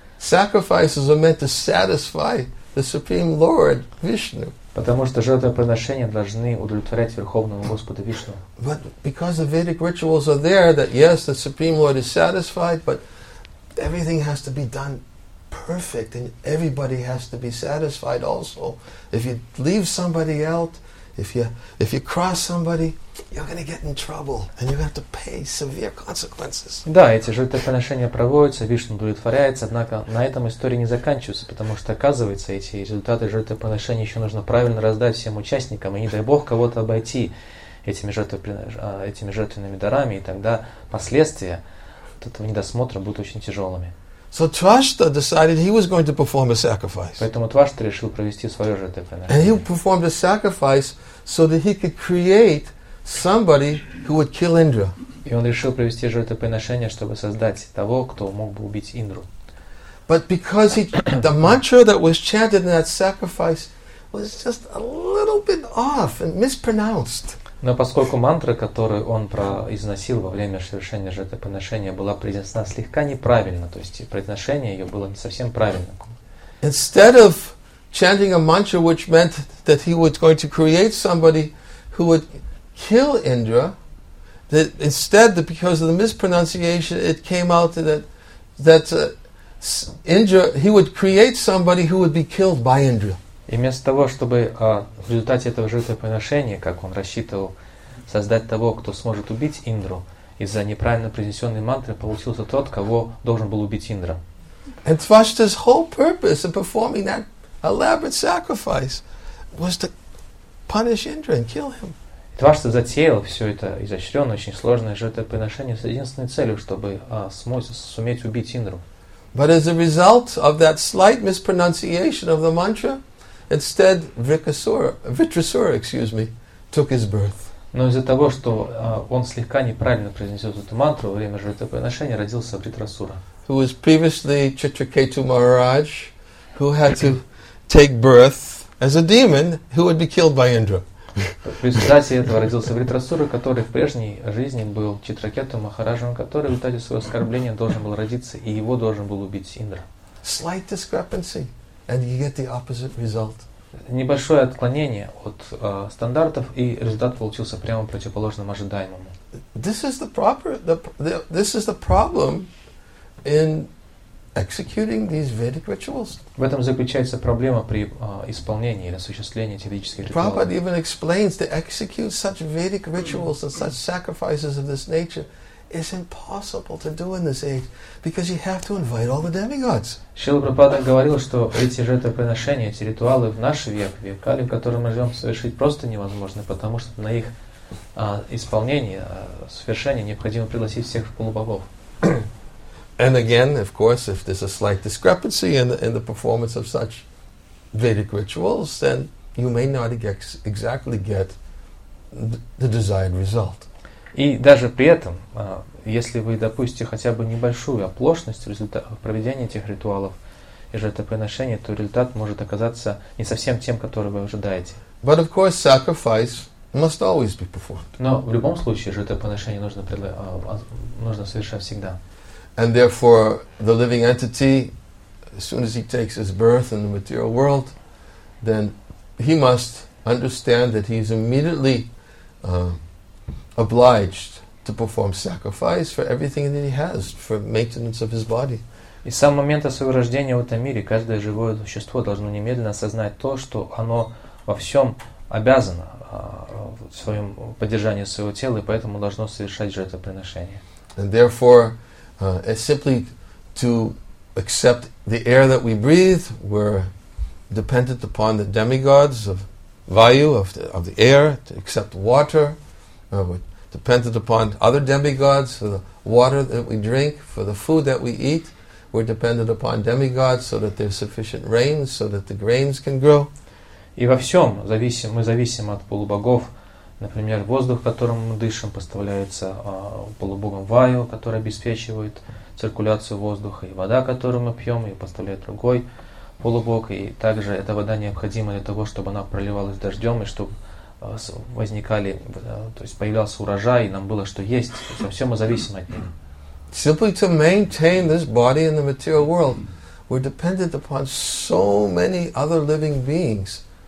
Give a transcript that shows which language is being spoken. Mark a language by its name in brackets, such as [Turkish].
[English] Sacrifices are meant to satisfy the Supreme Lord Vishnu. [Russian] Потому что жертвоприношения должны удовлетворять Верховному Господу Вишну. [English] But because the Vedic rituals are there, that yes, the Supreme Lord is satisfied, but everything has to be done perfect, and everybody has to be satisfied also. If you leave somebody out, if you cross somebody, you're going to get in trouble, and you have to pay severe consequences. [Russian] Да, эти жертвоприношения проводятся, Вишну удовлетворяется, однако на этом история не заканчивается, потому что, оказывается, эти результаты жертвоприношения еще нужно правильно раздать всем участникам, и не дай Бог кого-то обойти этими жертвенными дарами, и тогда последствия от этого недосмотра будут очень тяжелыми. [English] So Tvashtra decided he was going to perform a sacrifice. [Russian] Поэтому Тваштра решил провести свое жертвоприношение. [English] And he performed a sacrifice so that he could create somebody who would kill Indra. [Russian] И он решил провести жертвоприношение, чтобы создать того, кто мог бы убить Индру. [English] But because the mantra that was chanted in that sacrifice was just a little bit off and mispronounced. [Russian] Но поскольку мантра, которую он произносил во время совершения жертвоприношения, была произнесена слегка неправильно, то есть произношение ее было не совсем правильно. [English] Instead of chanting a mantra which meant that he was going to create somebody who would kill Indra, that instead, because of the mispronunciation, it came out that Indra, he would create somebody who would be killed by Indra. [Russian] И вместо того, чтобы в результате этого жертвоприношения, как он рассчитывал, создать того, кто сможет убить Индру, из-за неправильно произнесенной мантры получился тот, кого должен был убить Индра. [English] And Tvashtra's whole purpose in performing that elaborate sacrifice was to punish Indra and kill him. [Russian] Тваштра затеял все это изощренное, очень сложное жертвоприношение с единственной целью, чтобы суметь убить Индру. [English] But as a result of that slight mispronunciation of the mantra, instead, Vritrasura, took his birth. [Russian] Но из-за того, что он слегка неправильно произнес эту мантру во время жертвоприношения, родился Вритрасура. [English] who was previously Chitraketu Maharaj, who had to take birth as a demon who would be killed by Indra. [Russian] В результате этого родился Вритрасура, который в прежней жизни был Читракету Махараджем, который в результате своего оскорбления должен был родиться, и его должен был убить Индра. [English] Slight discrepancy, and you get the opposite result. [Russian] Небольшое отклонение от стандартов, и результат получился прямо противоположным ожидаемому. [English] This is the problem in executing these Vedic rituals. [Russian] В этом заключается проблема при исполнении или осуществлении этих ведических ритуалов. [English] Prabhupada even explains to execute such Vedic rituals and such sacrifices of this nature is impossible to do in this age because you have to invite all the demigods. [Russian] Шрила Прабхупада говорил, что эти жертвоприношения, эти ритуалы в наш век, в Кали, в котором мы живем, совершить просто невозможно, потому что на их исполнение, совершение необходимо пригласить всех полубогов. [English] And again, of course, if there's a slight discrepancy in the performance of such Vedic rituals, then you may not exactly get the desired result. [Russian] И даже при этом, если вы допустите хотя бы небольшую оплошность в результате проведения этих ритуалов и жертвоприношения, то результат может оказаться не совсем тем, который вы ожидаете. [English] But of course, sacrifice must always be performed. [Russian] Но в любом случае жертвоприношение нужно совершать всегда. [English] And therefore, the living entity, as soon as he takes his birth in the material world, then he must understand that he is immediately obliged to perform sacrifice for everything that he has for maintenance of his body. [Russian] И с самого момента своего рождения в этом мире каждое живое существо должно немедленно осознать то, что оно во всем обязано в своем поддержании своего тела, и поэтому должно совершать жертвоприношение. [English] And therefore, simply to accept the air that we breathe, we're dependent upon the demigods of Vayu, of the air, to accept water. We're dependent upon other demigods for the water that we drink, for the food that we eat. We're dependent upon demigods so that there's sufficient rain, so that the grains can grow. [Russian] И во всем зависим, мы зависим от полубогов. Например, воздух, которым мы дышим, поставляется полубогом Ваю, который обеспечивает циркуляцию воздуха, и вода, которую мы пьем, ее поставляет другой полубог, и также эта вода необходима для того, чтобы она проливалась дождем, и чтобы возникали, то есть появлялся урожай, и нам было что есть. То есть, во всем мы зависим от них. [English] Simply to maintain this body in the material world, we're dependent upon so many other living beings.